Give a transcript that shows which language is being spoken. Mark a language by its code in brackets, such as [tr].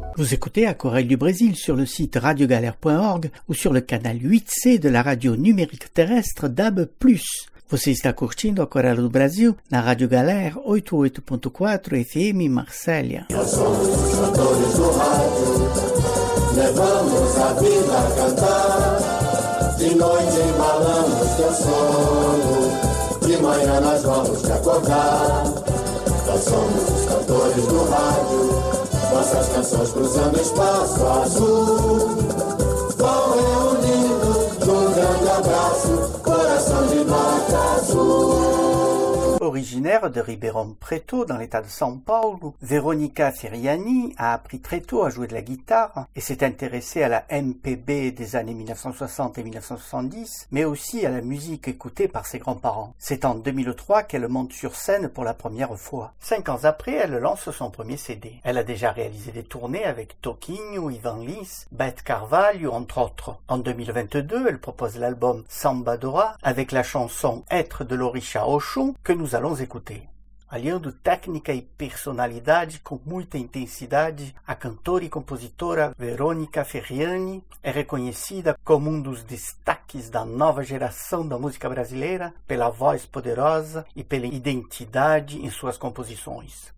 [fr] Écoutez à Corée du Brésil sur le site radiogalère.org ou sur le canal 8C de la radio numérique terrestre DAB+. [pt] Você está curtindo a Corée do Brasil na Rádio Galère 88.4 FM Marselha. Levamos a vida a cantar, de noite embalamos teu sono, de manhã nós vamos te acordar. Nós somos os cantores do rádio, nossas canções cruzando espaço azul. Vão reunindo um grande abraço, coração de mata azul. [fr] Originaire de Ribeirão Preto, dans l'état de São Paulo, Veronica Ferriani a appris très tôt à jouer de la guitare et s'est intéressée à la MPB des années 1960 et 1970, mais aussi à la musique écoutée par ses grands-parents. C'est en 2003 qu'elle monte sur scène pour la première fois. 5 ans après, elle lance son premier CD. Elle a déjà réalisé des tournées avec Toquinho, Ivan Lins, Beth Carvalho, entre autres. En 2022, elle propose l'album Samba Dora avec la chanson Être de l'Orixá Oxum que nous allons écouter. [pt] Aliando técnica e personalidade com muita intensidade, a cantora e compositora Veronica Ferriani é reconhecida como um dos destaques da nova geração da música brasileira pela voz poderosa e pela identidade em suas composições.